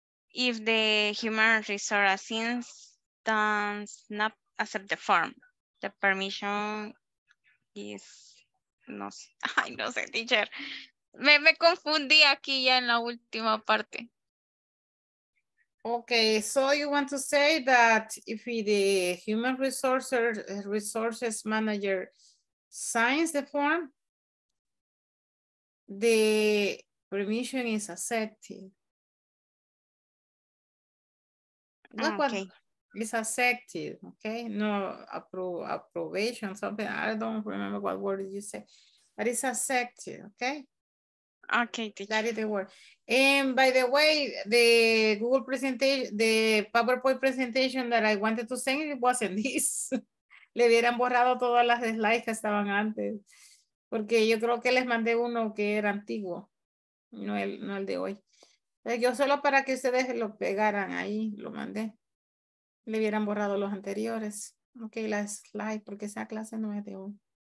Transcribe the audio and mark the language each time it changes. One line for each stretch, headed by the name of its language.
English: If the human resource assistant not accept the form, the permission is no.
Spanish: Ay, no sé, teacher. Me confundí aquí ya en la última parte.
English: Okay, so you want to say that if the human resources manager signs the form, the permission is accepted. Okay. It's accepted, okay? No approbation, something. I don't remember what word you say, but it's accepted, okay? Okay, teacher. That is the word. And by the way, the Google presentation, the PowerPoint presentation that I wanted to send, it wasn't this.
Spanish: Le hubieran borrado todas las slides que estaban antes. Porque yo creo que les mandé uno que era antiguo. No el de hoy. Yo solo para que ustedes lo pegaran ahí, lo mandé. Le hubieran borrado los anteriores. Ok, las slides, porque esa clase no es de hoy.